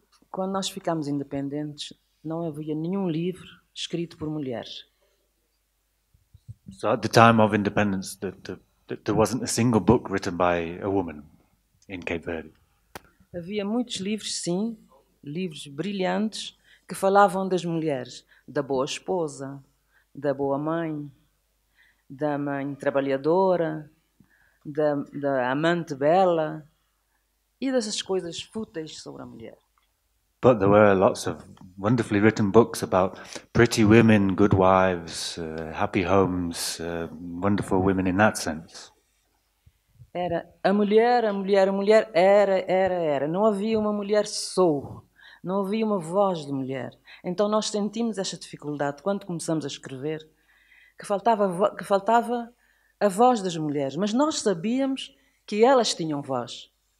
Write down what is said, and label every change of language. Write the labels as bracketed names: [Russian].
[Portuguese] Quando nós ficámos independentes, não havia nenhum livro escrito por mulheres. [English] So at the time of independence, there wasn't a single book written by a woman in Cape Verde. [Portuguese] Havia muitos livros, sim, livros brilhantes que falavam das mulheres, da boa esposa, da boa mãe, da mãe trabalhadora, da amante bela, e dessas coisas fúteis sobre a mulher. [English] But there were lots of wonderfully written books about pretty women, good wives, happy homes, wonderful women in that sense. [Portuguese] Era a mulher, era. Não havia uma mulher só, não havia uma voz de mulher. Então nós sentimos essa dificuldade quando começamos a escrever, que faltava a voz das mulheres, mas nós sabíamos que elas tinham voz.